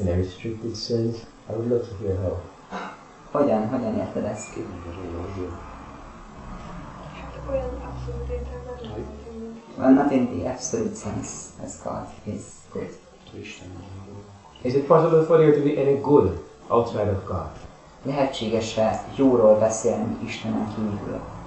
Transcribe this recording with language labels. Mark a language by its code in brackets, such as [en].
[en] In a restricted sense, I would love to hear how. [hu] Hogyan érted ezt? Olyan abszolút értelme. [en] Well, not in the absolute sense, as God is good. Is it possible for you to be any good outside of God? [hu] Lehetséges-e jóról beszélni Istenen kívül?